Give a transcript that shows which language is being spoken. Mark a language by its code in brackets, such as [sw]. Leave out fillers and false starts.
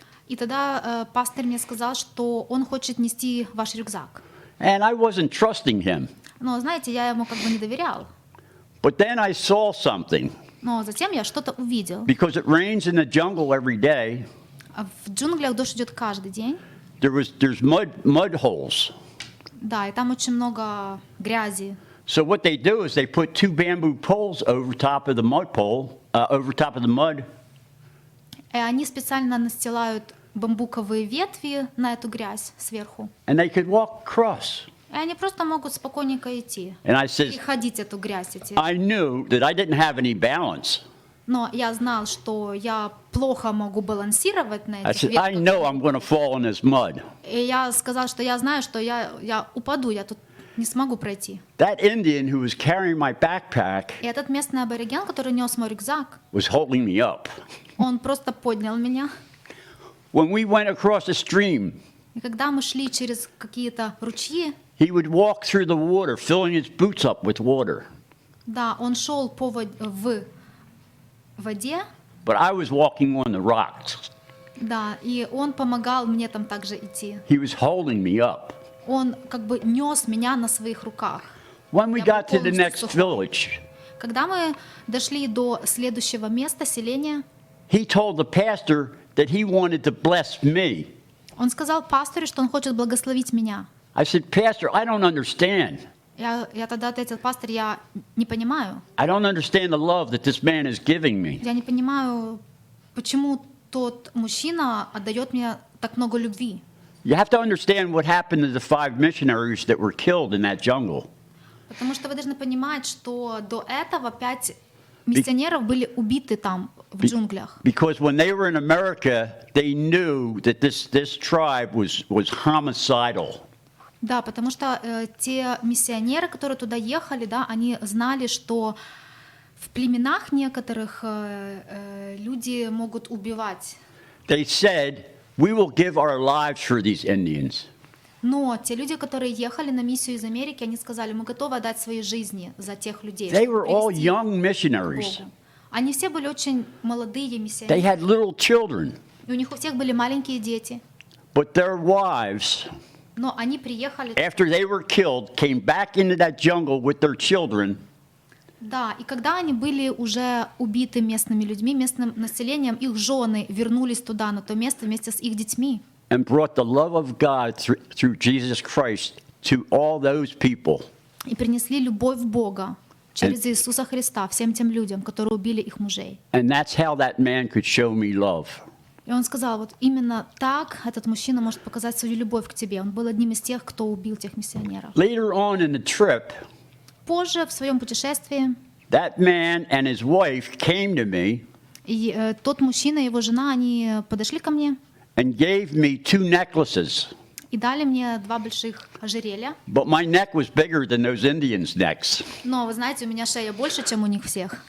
[ru] И тогда пастор мне сказал, что он хочет нести ваш рюкзак. [en] And I wasn't trusting him. [ru] Но знаете, я ему как бы не доверял. [en] But then I saw something. [ru] Но затем я что-то увидел. [en] Because it rains in the jungle every day. [ru] А в джунглях дождь идет каждый день. [en] There's mud holes. [ru] Да, и там очень много грязи. [en] So what they do is they put two bamboo poles over top of the mud pole, over top of the mud. [ru] Они специально настилают бамбуковые ветви на эту грязь сверху. [en] And they could walk across. [ru] И они просто могут спокойненько идти. [en] And I said, [ru] и ходить эту грязь эти. [en] I knew that I didn't have any balance. [ru] Но я знал, что я плохо могу балансировать на этих ветках. [en] I said, I know I'm going to fall in this mud. [ru] И я сказал, что я знаю, что я упаду, я тут не смогу пройти. [en] That Indian who was carrying my backpack. [ru] И этот местный абориген, который нес мой рюкзак. [en] Was holding me up. [ru] Он просто поднял меня. [en] When we went across a stream. [ru] И когда мы шли через какие-то ручьи. [en] He would walk through the water, filling his boots up with water. [ru] Да, он шел по в воде. [en] But I was walking on the rocks. [ru] Да, и он помогал мне там также идти. [en] He was holding me up. [ru] Он как бы нес меня на своих руках. [en] When we got to the next village. [ru] Когда мы дошли до следующего места, селения. [en] He told the pastor that he wanted to bless me. [ru] Он сказал пастору, что он хочет благословить меня. [en] I said, Pastor, I don't understand. [ru] Я тогда ответил, пастор, я не понимаю. [en] I don't understand the love that this man is giving me. [ru] Я не понимаю, почему тот мужчина отдает мне так много любви. [en] You have to understand what happened to the five missionaries that were killed in that jungle. [ru] Потому что вы должны понимать, что до этого пять миссионеров были убиты там в джунглях. [en] Because when they were in America, they knew that this tribe was homicidal. [ru] Да, потому что те миссионеры, которые туда ехали, да, они знали, что в племенах некоторых люди могут убивать. [en] They said, we will give our lives for these Indians. [ru] Но те люди, которые ехали на миссию из Америки, они сказали, мы готовы отдать свои жизни за тех людей. [en] They were all young missionaries. [ru] Они все были очень молодые миссионеры. [en] They had little children. [ru] И у них у всех были маленькие дети. [en] But their wives. [ru] Но они приехали. [en] After they were killed, came back into that jungle with their children. [ru] Да, и когда они были уже убиты местными людьми, местным населением, их жены вернулись туда, на то место вместе с их детьми. [en] And brought the love of God through Jesus Christ to all those people. [ru] И принесли любовь Бога через Иисуса Христа всем тем людям, которые убили их мужей. [en] And that's how that man could show me love. [ru] И он сказал, вот именно так этот мужчина может показать свою любовь к тебе. Он был одним из тех, кто убил тех миссионеров. [en] Later on in the trip, [ru] позже в своем путешествии, [en] that man and his wife came to me, [ru] и тот мужчина и его жена, они подошли ко мне [en] and gave me two necklaces. [ru] И дали мне два больших ожерелья. [en] But my neck was bigger than those Indians' necks. [ru] Но вы знаете, у меня шея больше, чем у них всех.